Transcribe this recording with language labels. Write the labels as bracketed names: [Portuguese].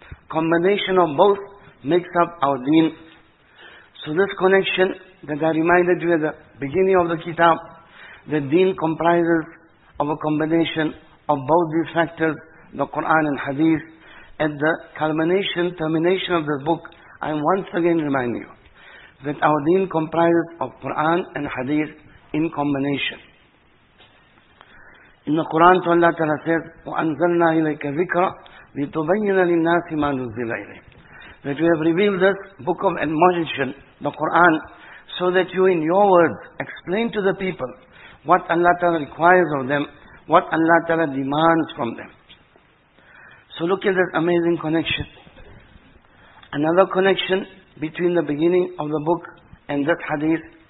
[English] Combination of both makes up our deen. So this connection that I reminded you at the beginning of the kitab, the deen comprises of a combination of both these factors, the Quran and hadith. At the culmination, termination of this book, I am once again reminding you that our deen comprises of Quran and hadith in combination. In the Quran, Allah Ta'ala says, [Arabic] وَأَنزَلْنَا إِلَيْكَ ذِكْرًا لِتُبَيِّنَ لِلنَّاسِ مَا نُزِّلَ إِلَيْهِ. [English] That we have revealed this book of admonition, the Quran, so that you in your words explain to the people what Allah Ta'ala requires of them, what Allah Ta'ala demands from them. So look at this amazing connection. Another connection between the beginning of the book and this hadith.